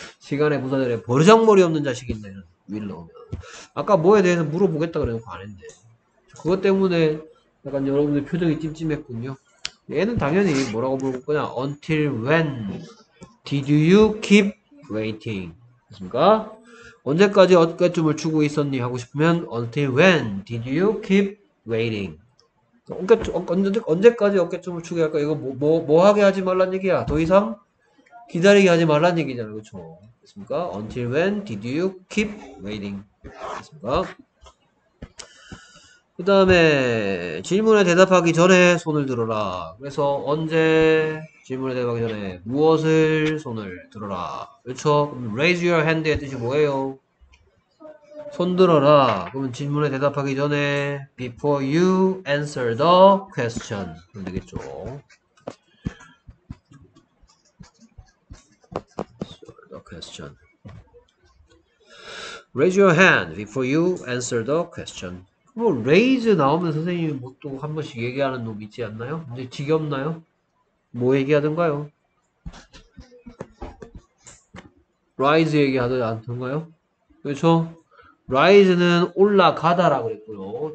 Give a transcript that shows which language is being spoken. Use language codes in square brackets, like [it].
[ko] 시간의 부사절에 버르장머리 없는 자식인데 will 넣으면. 아까 뭐에 대해서 물어보겠다 그래놓고 안 했네. 그것 때문에 약간 여러분들 표정이 찜찜했군요. 얘는 당연히 뭐라고 물어볼 거냐. [en] Until when did you keep waiting? [ko] 그렇습니까? 언제까지 어깨춤을 추고 있었니? 하고 싶으면 [en] Until when did you keep waiting? [ko] 언제까지 어깨춤을 추게 할까? 이거 뭐 하게 하지 말란 얘기야? 더 이상 기다리게 하지 말란 얘기잖아, 그렇죠? 됐습니까? [en] Until when did you keep waiting? 됐습니까? [ko] 그 다음에 질문에 대답하기 전에 손을 들어라. 그래서 언제 질문에 대답하기 전에 무엇을 손을 들어라. 그렇죠? 그럼 raise your hand의 뜻이 뭐예요? 손 들어라. 그러면 질문에 대답하기 전에 [en] before you answer the question. [ko] 그럼 되겠죠? [en] 그럼 raise your hand before you answer the question. [ko] 뭐 레이즈 나오면 선생님이 뭐또한 번씩 얘기하는 놈 있지 않나요? 이제 지겹나요? 뭐 얘기하던가요? 라이즈 얘기하던가요? 그렇죠? 라이즈는 올라가다라고 그랬고요.